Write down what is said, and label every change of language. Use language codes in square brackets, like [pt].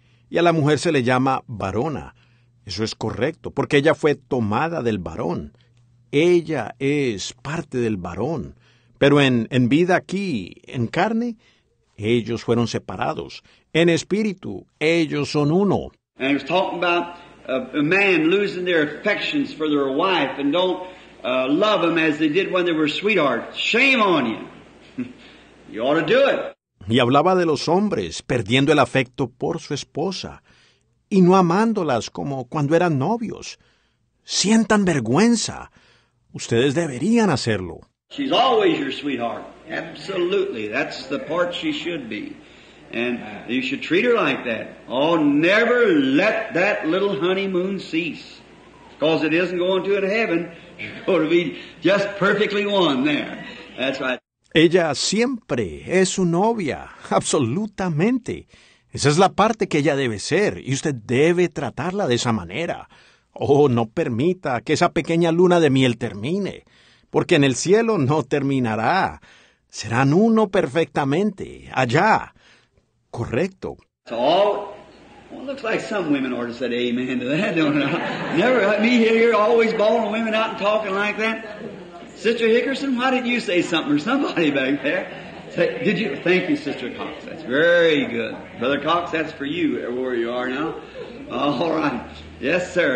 [es] Y a la mujer se le llama varona. Eso es correcto, porque ella fue tomada del varón. Ella es parte del varón. Pero en vida aquí, en carne, ellos fueron separados. En espíritu, ellos son uno. [en] And he was talking about a man losing their affections for their wife and don't love them as they did when they were sweethearts. Shame on you. You ought to do it. [es] Y hablaba de los hombres perdiendo el afecto por su esposa y no amándolas como cuando eran novios. Sientan vergüenza. Ustedes deberían hacerlo. [en] She's always your sweetheart. Absolutely. That's the part she should be. And you should treat her like that. Oh, never let that little honeymoon cease. Because it isn't going to in heaven. You're going to be just perfectly one there. That's right. [es] Ella siempre es su novia. Absolutamente. Esa es la parte que ella debe ser, y usted debe tratarla de esa manera. Oh, no permita que esa pequeña luna de miel termine, porque en el cielo no terminará. Serán uno perfectamente, allá. Correcto. [en] Well, it looks like some women ought to say amen to that, don't I? Never let me hear you always bawling women out and talking like that. Sister Hickerson, why didn't you say something or somebody back there? Did you? Thank you, Sister Cox. That's very good. Brother Cox, that's for you, where you are now. All right. Yes, sir.